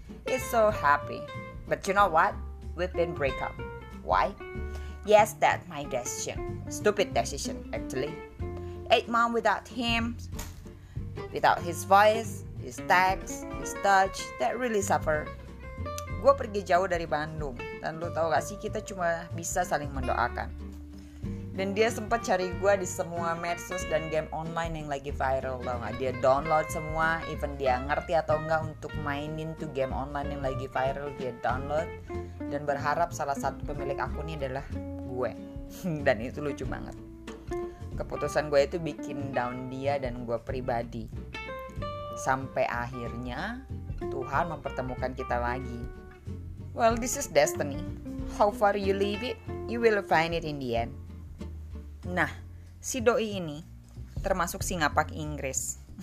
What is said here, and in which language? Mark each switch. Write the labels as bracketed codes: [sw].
[en] It's so happy. But you know what? We've been break up. Why? Yes, that's my decision. Stupid decision, actually. 8 months without him, without his voice, his text, his touch, that really suffer. [id] Gue pergi jauh dari Bandung, dan lo tau gak sih, kita cuma bisa saling mendoakan. Dan dia sempat cari gue di semua medsos dan game online yang lagi viral, tau gak? Dia download semua, even dia ngerti atau enggak untuk mainin tuh game online yang lagi viral, dia download dan berharap salah satu pemilik akunnya adalah gue. Dan itu lucu banget. Keputusan gue itu bikin down dia dan gue pribadi. Sampai akhirnya Tuhan mempertemukan kita lagi. [en] Well, this is destiny. How far you leave it, you will find it in the end. [id] Nah, si doi ini termasuk si ngapak Inggris.